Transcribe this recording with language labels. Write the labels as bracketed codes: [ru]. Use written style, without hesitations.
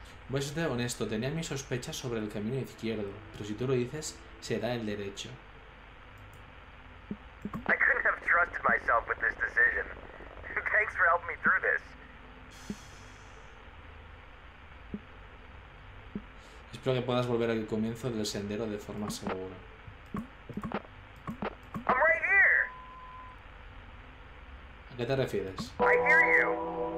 [es] Voy a ser honesto, tenía mis sospechas sobre el camino izquierdo, pero si tú lo dices, será el derecho. [en] I couldn't have trusted myself with this decision. Thanks for helping me through this. [es] Espero que puedas volver al comienzo del sendero de forma segura. [en] I'm right here. [es] ¿A qué te refieres? [en] I hear you.